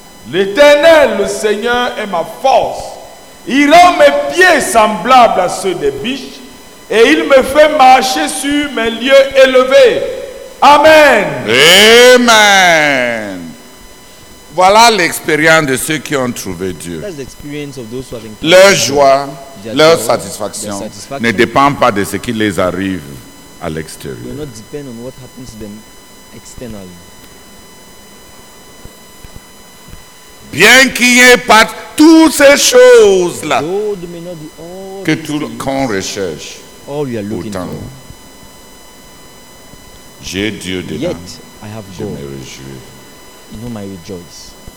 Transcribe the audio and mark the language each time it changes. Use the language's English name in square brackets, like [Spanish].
[French] L'Éternel, le Seigneur, est ma force. Il rend mes pieds semblables à ceux des biches, et il me fait marcher sur mes lieux élevés. Amen. Amen. Voilà l'expérience de ceux qui ont trouvé Dieu. [English] That's the experience of those who have encountered. [French] Leur joie, leur satisfaction ne dépend pas de ce qui les arrive à l'extérieur. [English] They do not depend on what happens to them externally. [French] Bien qu'il n'y ait pas toutes ces choses-là que qu'on recherche. [English] All you are looking [French] pourtant, [English] for. [French] J'ai Dieu dedans. [English] Yet I have God. [French] Je me réjouis. [English] In whom I rejoice.